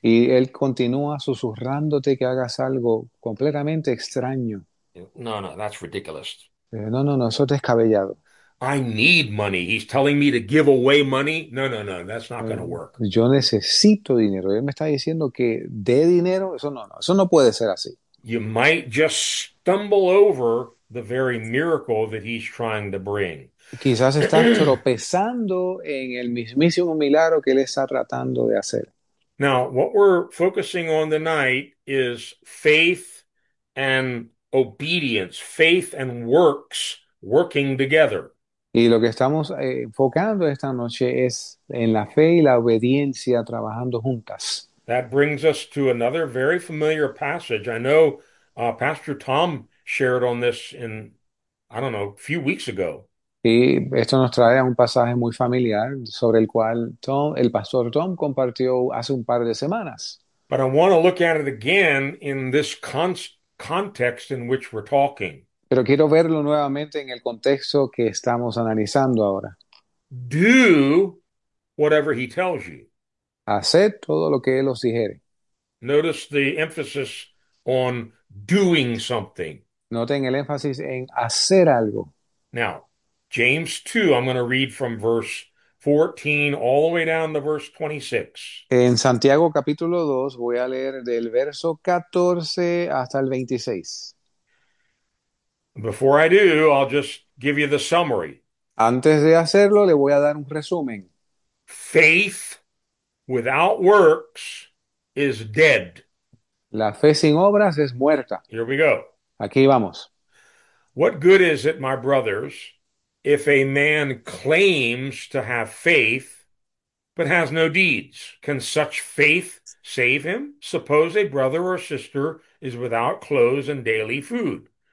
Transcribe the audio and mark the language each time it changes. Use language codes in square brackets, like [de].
[es] y él continúa susurrándote que hagas algo completamente extraño. [en] No, that's ridiculous. [es] No, no, no, eso es descabellado. [en] I need money. He's telling me to give away money. No, that's not going to work. [es] Yo necesito dinero. Él me está diciendo que dé dinero. Eso no, no, eso no puede ser así. [en] You might just stumble over the very miracle that he's trying to bring. [es] Quizás estás tropezando en el mismísimo milagro que él está tratando de hacer. [en] Now, what we're focusing on tonight is faith and obedience, faith and works working together. [es] Y lo que estamos enfocando esta noche es en la fe y la obediencia trabajando juntas. [en] That brings us to another very familiar passage. I know Pastor Tom shared on this in, I don't know, a few weeks ago. [es] Y esto nos trae a un pasaje muy familiar sobre el cual el pastor Tom compartió hace un par de semanas. [en] But I want to look at it again in this context in which we're talking. [es] Pero quiero verlo nuevamente en el contexto que estamos analizando ahora. [en] Do whatever he tells you. [es] Haced todo lo que él os dijere. [en] Notice the emphasis on doing something. [es] Noten el énfasis en hacer algo. [en] Now, James 2, I'm going to read from verse 14 all the way down to verse 26. [es] En Santiago capítulo 2 voy a leer del verso 14 hasta el 26. [en] Before I do, I'll just give you the summary. [es] Antes de hacerlo, le voy a dar un resumen. [en] Faith without works is dead. [es] La fe sin obras es muerta. [en] Here we go. [es] Aquí vamos. [en] What good is it, my brothers, if a man claims to have faith but has no deeds? Can such faith save him? Suppose a brother or sister is without clothes and daily food.